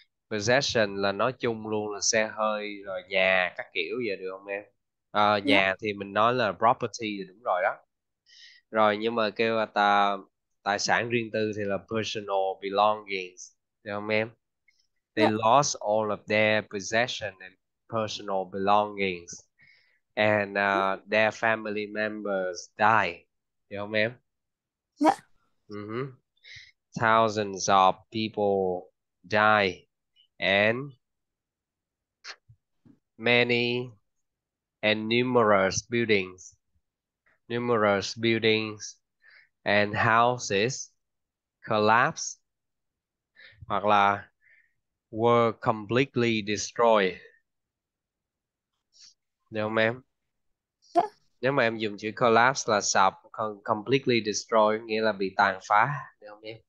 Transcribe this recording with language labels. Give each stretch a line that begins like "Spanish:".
Vietnamese: Possession là nói chung luôn, là xe hơi rồi nhà các kiểu vậy được không em?
English: Yeah.
Vietnamese: Nhà thì mình nói là property thì đúng rồi đó. Rồi nhưng mà kêu là tài sản riêng tư thì là personal belongings, được không em?
English: They lost all of their possession and personal belongings and their family members die,
Vietnamese: được không em?
English: Thousands of people die and many and numerous buildings and houses collapsed
Vietnamese: hoặc là
English: were completely destroyed.
Vietnamese: Được không em? Nếu mà em dùng chữ collapse là sập, completely destroy nghĩa là bị tàn phá, được không em?